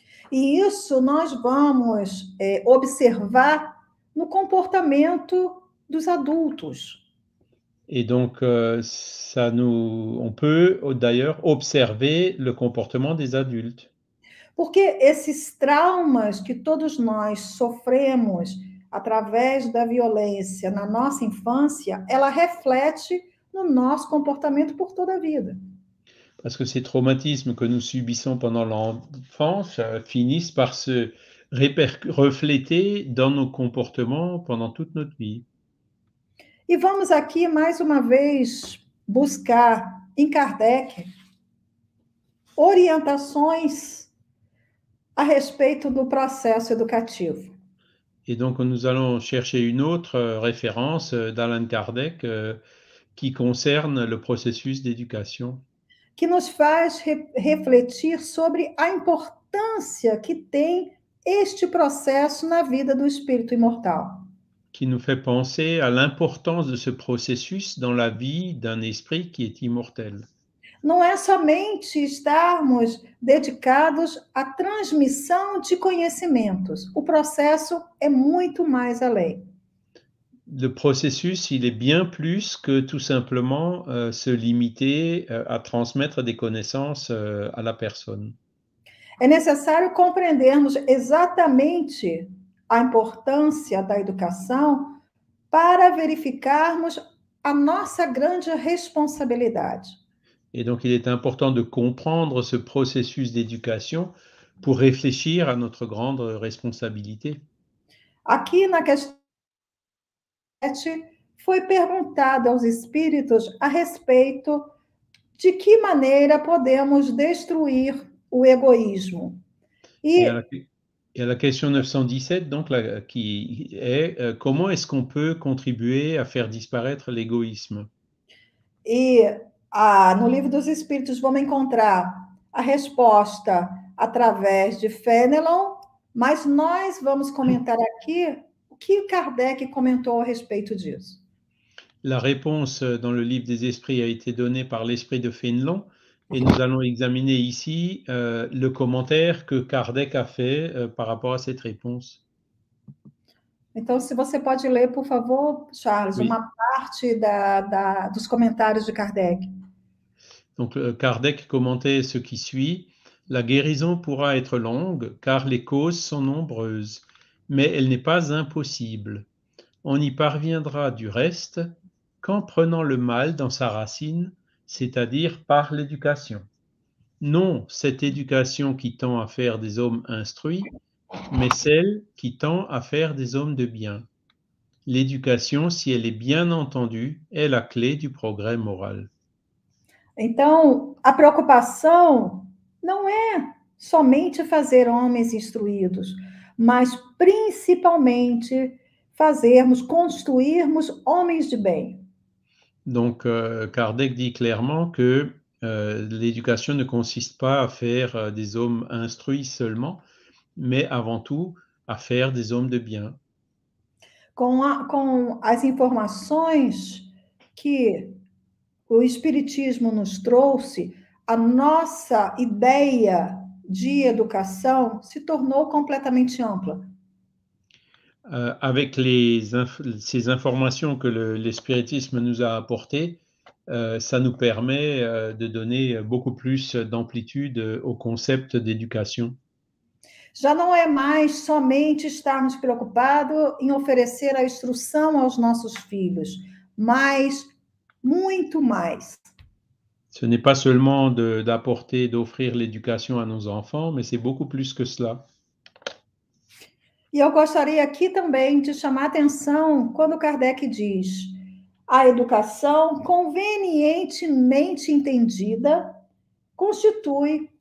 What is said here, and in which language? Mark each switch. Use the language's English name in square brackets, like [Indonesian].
[Portuguese] E isso nós vamos observar no comportamento dos adultos. [French] Et donc, on peut d'ailleurs observer le comportement des adultes. [Portuguese] Porque esses traumas que todos nós sofremos através da violência na nossa infância, ela reflete no nosso comportamento por toda a vida. [French] Parce que ces traumatismes que nous subissons pendant l'enfance finissent par se refléter dans nos comportements pendant toute notre vie. [Portuguese] E vamos aqui mais uma vez buscar em Kardec orientações a respeito do processo educativo. [French] Et donc nous allons chercher une autre référence d'Allan Kardec qui concerne le processus d'éducation. [Portuguese] Que nos faz refletir sobre a importância que tem este processo na vida do espírito imortal. [French] Qui nous fait penser à l'importance de ce processus dans la vie d'un esprit qui est immortel. [Portuguese] Não é somente estarmos dedicados à transmissão de conhecimentos. O processo é muito mais além. [French] Le processus, il est bien plus que tout simplement se limiter à transmettre des connaissances à la personne. [Portuguese] É necessário compreendermos exatamente a importância da educação para verificarmos a nossa grande responsabilidade. [French] Et donc, il est important de comprendre ce processus d'éducation pour réfléchir à notre grande responsabilité. [Portuguese] Aqui na questão 7, foi perguntado aos espíritos a respeito de que maneira podemos destruir o egoísmo. [French] Et [Portuguese] E [French] à la question 917, donc, qui est, comment est-ce qu'on peut contribuer à faire disparaître l'égoïsme? [Portuguese] no livro dos espíritos vamos encontrar a resposta através de Fénelon. Mas nós vamos comentar aqui o que Kardec comentou a respeito disso. [French] La réponse dans le livre des esprits a été donnée par l'esprit de Fénelon. Et nous allons examiner ici le commentaire que Kardec a fait par rapport à cette réponse. [Portuguese] Então, se você pode ler, por favor, Charles, [French] Oui. [Portuguese] uma parte dos comentários de Kardec. [French] Donc Kardec commentait ce qui suit. La guérison pourra être longue car les causes sont nombreuses, mais elle n'est pas impossible. On y parviendra du reste qu'en prenant le mal dans sa racine. C'est-à-dire par l'éducation. Non cette éducation qui tend à faire des hommes instruits, mais celle qui tend à faire des hommes de bien. L'éducation, si elle est bien entendue, est la clé du progrès moral. [Portuguese] Então, a preocupação não é somente fazer homens instruídos, mas principalmente fazermos, construirmos homens de bem. [French] Donc, Kardec dit clairement que l'éducation ne consiste pas à faire des hommes instruits seulement, mais avant tout à faire des hommes de bien. [Portuguese] Com as informações que o Espiritismo nos trouxe, a nossa ideia de educação se tornou completamente ampla. [French] Avec ces informations que l'espiritisme nous a apportées, ça nous permet de donner beaucoup plus d'amplitude au concept d'éducation. [Portuguese] Já não é mais somente estarmos preocupados em oferecer a instrução aos nossos filhos, mas muito mais. [French] Ce n'est pas seulement d'apporter, d'offrir l'éducation à nos enfants, mais c'est beaucoup plus que cela. [Portuguese] E eu gostaria aqui também de chamar a atenção quando Kardec diz: a educação convenientemente entendida constitui